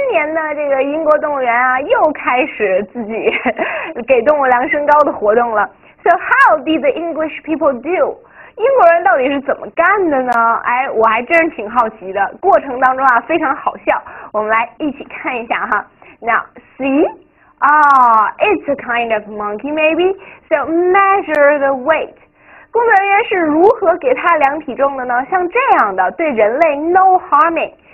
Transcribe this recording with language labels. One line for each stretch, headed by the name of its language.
Chinese: 年呢，这个英国动物园啊，又开始自己给动物量身高的活动了。
English: So how did the English people do？
Chinese: 英国人到底是怎么干的呢？哎，我还真是挺好奇的。过程当中啊，非常好笑，我们来一起看一下哈。
English: Now see，it's a kind of monkey maybe。 So measure the weight。
Chinese: 工作人员是如何给它量体重的呢？像这样的，对人类
English: no harming。